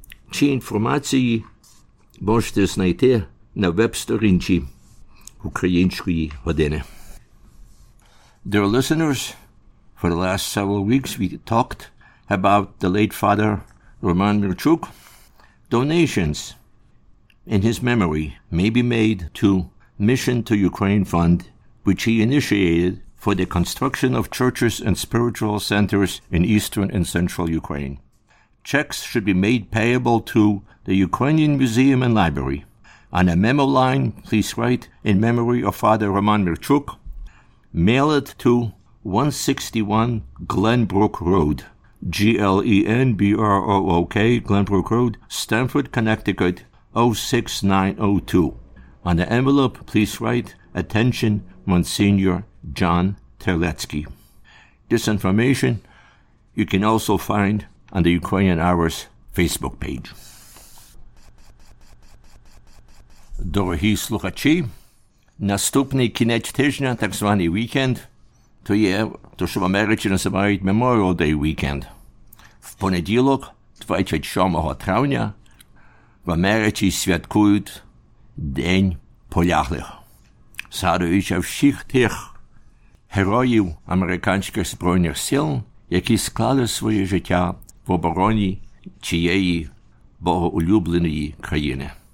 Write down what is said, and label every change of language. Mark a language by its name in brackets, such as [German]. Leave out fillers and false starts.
[Ukrainian] Ці інформації можете знайти на веб-сторінці Української години. [English] Dear listeners, for the last several weeks we talked about the late father Roman Mirchuk. Donations in his memory may be made to Mission to Ukraine Fund, which he initiated for the construction of churches and spiritual centers in eastern and central Ukraine. Checks should be made payable to the Ukrainian Museum and Library. On a memo line, please write In Memory of Father Roman Mirchuk. Mail it to 161 Glenbrook Road, GLENBROOK, Glenbrook Road, Stamford, Connecticut, 06902. On the envelope, please write Attention Monsignor John Terlecki. This information you can also find on the Ukrainian Hour's Facebook page. [Ukrainian] Дорогі слухачі, наступний кінець тижня, так званий вікенд, то є то, що в Америці називають Memorial Day Weekend. В понеділок, 27 травня, в Америці святкують День Поляглих, згадуючи всіх тих героїв американських збройних сил, які склали своє життя в обороні цієї богоулюбленої країни.